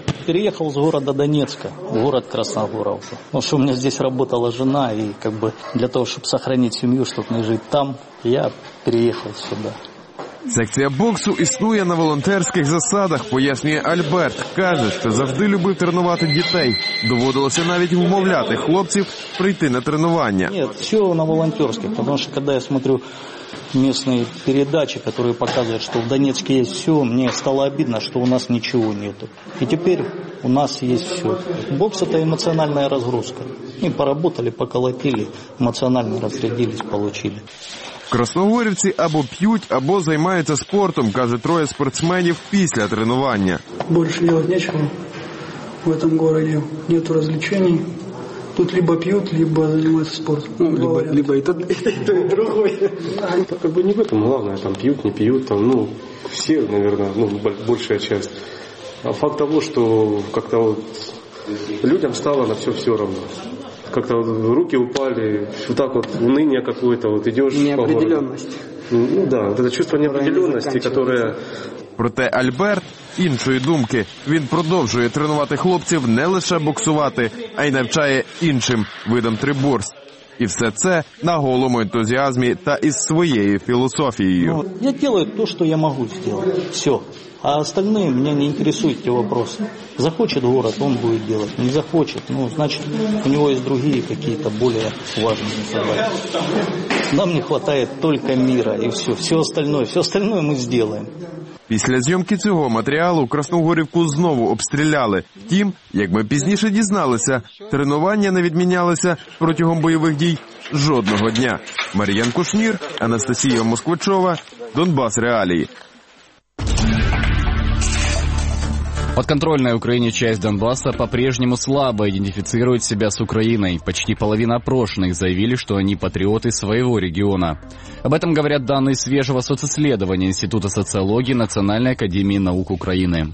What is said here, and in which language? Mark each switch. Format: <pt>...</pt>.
<ru>Переехал из города Донецка в город Красногоровка. Ну, что у меня здесь работала жена, и как бы для того, чтобы сохранить семью, чтобы не жить там, я переехал сюда.</ru> <uk>Секція боксу існує на волонтерських засадах, пояснює Альберт. Каже, що завжди любив тренувати дітей. Доводилося навіть вмовляти хлопців прийти на тренування. Ні, все на волонтерських, тому що коли я</uk> <ru>смотрю местные передачи, которые показывают, что в Донецке есть все, мне стало обидно, что у нас ничего нету. И теперь у нас есть все. Бокс – это эмоциональная разгрузка. И поработали, поколотили, эмоционально разрядились, получили.</ru> <uk>Красногорівці або п'ють, або займаються спортом, каже троє спортсменів після тренування.</uk> <ru>Больше делать нечего в этом городе. Нет развлечений.</ru> <uk>Тут либо п'ють, либо займаються спортом.</uk> <ru>Ну, либо і то, і другое. Как бы не в этом главное, там п'ють, не п'ють, там, ну, все, наверное, ну, большая часть. А факт того, что как-то вот людям стало на все равно. Как-то вот руки упали, вот так вот уныние какое-то, вот идешь по городу. Неопределенность. Ну да, вот это чувство неопределенности, которое</ru> <uk>Проте Альберт іншої думки. Він продовжує тренувати хлопців не лише боксувати, а й навчає іншим видам триборств. І все це на голому ентузіазмі та із своєю філософією. Я роблю те, що я можу зробити. Все. А остальне мене не інтересують ті питання. Захоче город, він буде робити. Не захоче, ну, значить, у нього є інші якісь більш важливі задачі. Нам не вистачає тільки міра і все. Все остальне ми зробимо. Після зйомки цього матеріалу Красногорівку знову обстріляли. Втім, як ми пізніше дізналися, тренування не відмінялися протягом бойових дій жодного дня. Мар'ян Кушнір, Анастасія Москвичова, Донбас Реалії.</uk> <ru>Подконтрольная Украине часть Донбасса по-прежнему слабо идентифицирует себя с Украиной. Почти половина опрошенных заявили, что они патриоты своего региона. Об этом говорят данные свежего социсследования Института социологии Национальной академии наук Украины.</ru>